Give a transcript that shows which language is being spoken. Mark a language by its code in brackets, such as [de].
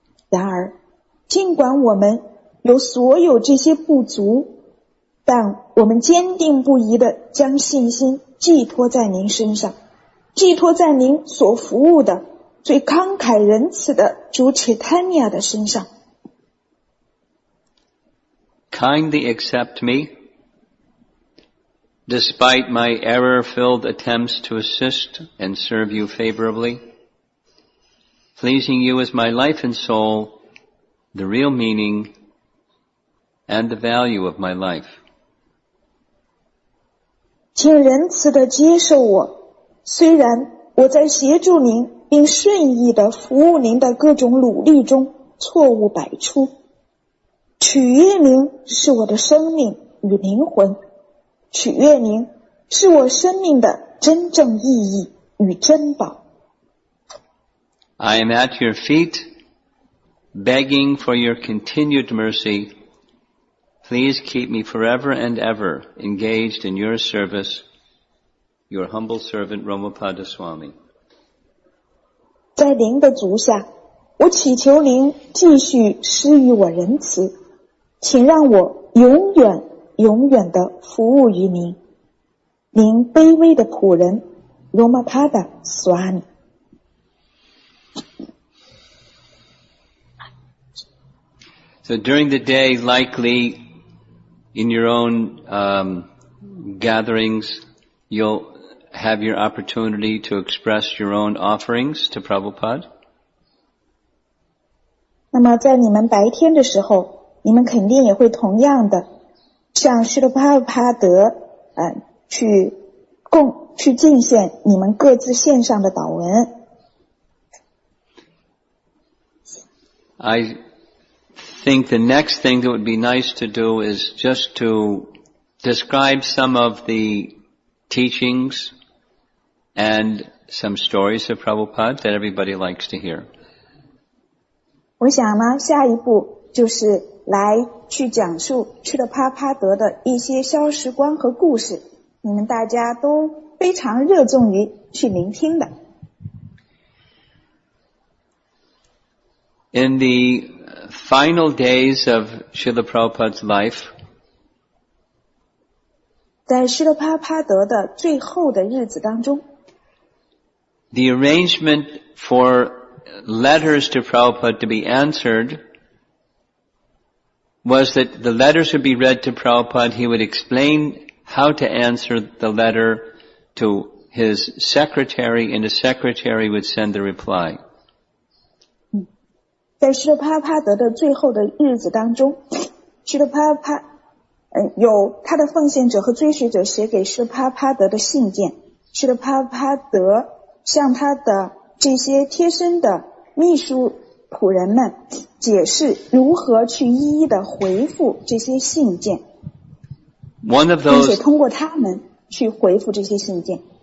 [zh] 然而，尽管我们有所有这些不足，但我们坚定不移地将信心寄托在您身上，寄托在您所服务的最慷慨仁慈的主 Chaitanya 的身上。 [en] Kindly accept me despite my error-filled attempts to assist and serve you favorably. Pleasing you is my life and soul, the real meaning and the value of my life. [zh] 请仁慈地接受我，虽然我在协助您并顺意地服务您的各种努力中错误百出，取悦您是我的生命与灵魂，取悦您是我生命的真正意义与珍宝。 [en] I am at your feet, begging for your continued mercy. Please keep me forever and ever engaged in your service. Your humble servant, Romapada Swami. [zh] 在您的足下，我祈求您继续施予我仁慈，请让我永远永远地服务于您，您卑微的仆人 Romapada Swami。 [en] So during the day, likely in your own gatherings, you'll have your opportunity to express your own offerings to Prabhupada. [zh] 那么在你们白天的时候，你们肯定也会同样的向须菩萨德去敬献你们各自献上的祷文。 [en] I think the next thing that would be nice to do is just to describe some of the teachings and some stories of Prabhupada that everybody likes to hear. [zh] 我想呢，下一步就是来去讲述去了帕帕德的一些消时光和故事，你们大家都非常热衷于去聆听的。 [en] In the final days of Srila Prabhupada's life, [zh] 在 Srila Prabhupada 的最后的日子当中， [en] the arrangement for letters to Prabhupada to be answered was that the letters would be read to Prabhupada, he would explain how to answer the letter to his secretary, and his secretary would send the reply. [zh] 在释迦帕帕德的最后的日子当中，释迦帕帕有他的奉献者和追随者写给释迦帕帕德的信件，释迦帕帕德向他的这些贴身的秘书仆人们解释如何去一一的回复这些信件，并且通过他们去回复这些信件。